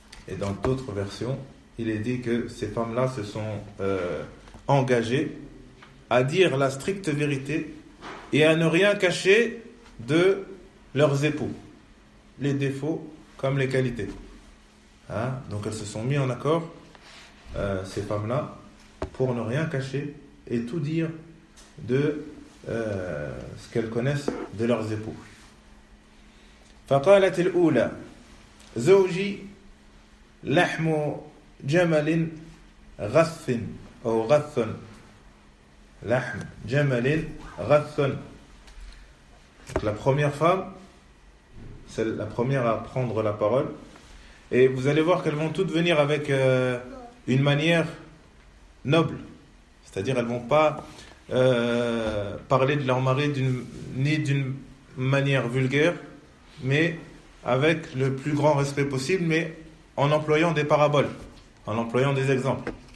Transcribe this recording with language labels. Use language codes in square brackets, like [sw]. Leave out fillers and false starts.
[fr] Et dans d'autres versions, il est dit que ces femmes-là se sont engagées à dire la stricte vérité et à ne rien cacher de leurs époux, les défauts comme les qualités. Hein? Donc elles se sont mises en accord, ces femmes-là, pour ne rien cacher et tout dire de ce qu'elles connaissent de leurs époux. [ar] فَقَالَتِ الْأُولَى زَوْجِي لحم جمل غث أو غث لحم جمل غث. [fr] La première femme, c'est la première à prendre la parole, et vous allez voir qu'elles vont toutes venir avec une manière noble, c'est-à-dire elles vont pas parler de leur mari d'une manière vulgaire, mais avec le plus grand respect possible, mais en employant des paraboles, en employant des exemples.